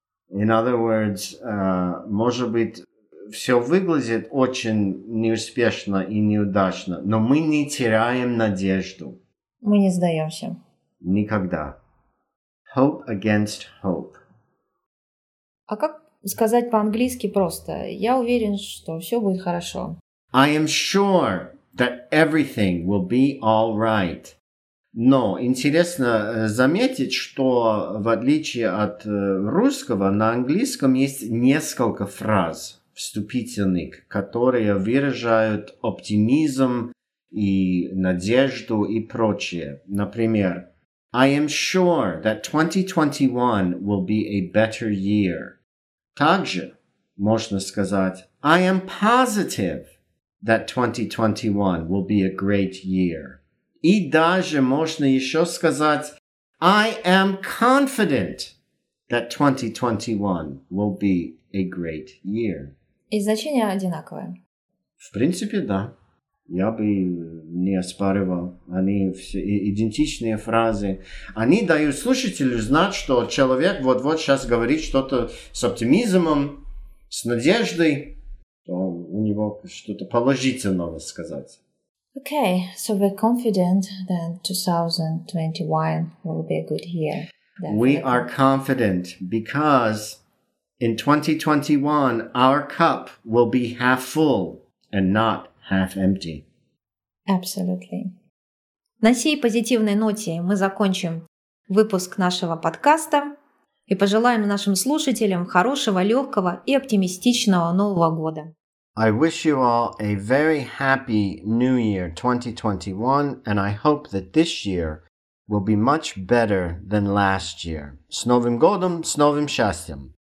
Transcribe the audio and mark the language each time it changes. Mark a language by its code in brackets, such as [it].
[en] In other words, [ru] может быть, все выглядит очень неуспешно и неудачно, но мы не теряем надежду. Мы не сдаемся. Никогда. [en] Hope against hope. [ru] А как сказать по-английски просто? Я уверен, что все будет хорошо. [en] I am sure that everything will be all right. [ru] Но интересно заметить, что в отличие от русского, на английском есть несколько фраз вступительных, которые выражают оптимизм и надежду и прочее. Например, [en] I am sure that 2021 will be a better year. [ru] Также можно сказать, [en] I am positive that 2021 will be a great year. [ru] И даже можно еще сказать, [en] I am confident that 2021 will be a great year. [ru] И значения одинаковые. В принципе, да. Я бы не оспаривал. Они все идентичные фразы. Они дают слушателю знать, что человек вот-вот сейчас говорит что-то с оптимизмом, с надеждой. То у него что-то положительное сказать. [en] Okay, so we're confident that 2021 will be a good year. Definitely. We are confident because in 2021, our cup will be half full and not half empty. Absolutely. [ru] На сей позитивной ноте мы закончим выпуск нашего подкаста и пожелаем нашим слушателям хорошего, легкого и оптимистичного Нового года. [en] I wish you all a very happy new year 2021, and I hope that this year will be much better than last year. [ru] С Новым годом, с новым счастьем.